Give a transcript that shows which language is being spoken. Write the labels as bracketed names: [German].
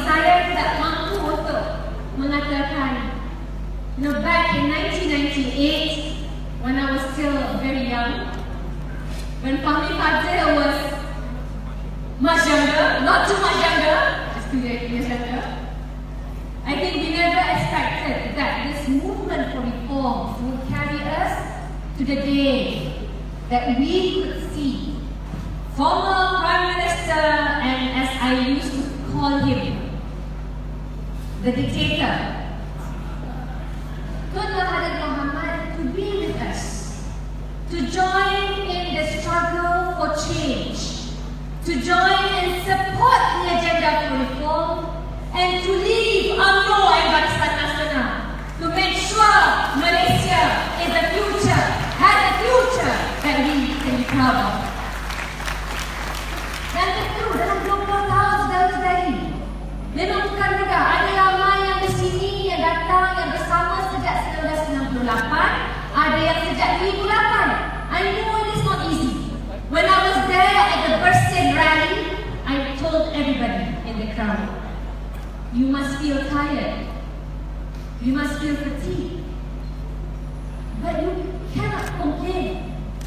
[Malay] Saya tidak mampu untuk mengatakan. [English] No, back in 1998, when I was still very young, when Fahmi Fadil was much younger, not too much younger, just 2 years younger, I think we never expected that this movement for reforms would carry us to the day that we could see former Prime Minister, and as I used to call him, the dictator, Tun Mahathir Mohamad, to be with us, to join in the struggle for change, to join and support the agenda for reform, and to leave UMNO and Barisan Nasional to make sure Malaysia in the future has a future that we can be proud of. [Malay] Dan itu dalam 20 tahun sudah dari, memang bukan juga ada ramai yang di sini yang datang yang bersama sejak 1968. Ada yang sejak 2008. [English] I know it is not easy. When I was there at the Bersin rally, I told everybody in the crowd, you must feel tired, you must feel fatigued, but you cannot complain.